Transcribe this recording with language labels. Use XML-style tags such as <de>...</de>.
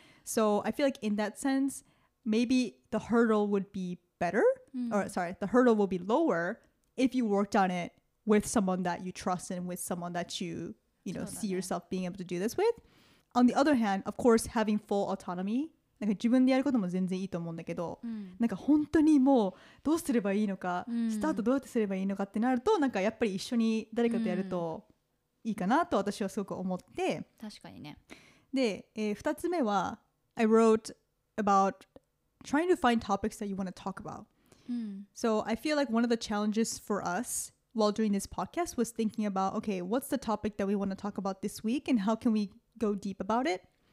<en>So I feel like in that sense, maybe the hurdle would be better. The hurdle will be lower if you worked on it with someone that you trust and with someone that you know, see yourself being able to do this with. On the other hand, of course, having full autonomy.</en> <ja>なんか自分でやることも全然いいと思うんだけど、なんか本当にもうどうすればいいのか、スタートどうやってすればいいのかってなると、なんかやっぱり一緒に誰かとやるといいかなと私はすごく思って。確かにね。で、二つ目は</ja> <en>I wrote about trying to find topics that you want to talk about. So I feel like one of the challenges for us while doing this podcast was thinking about, okay, what's the topic that we want to talk about this week and how can we go deep about it?</en>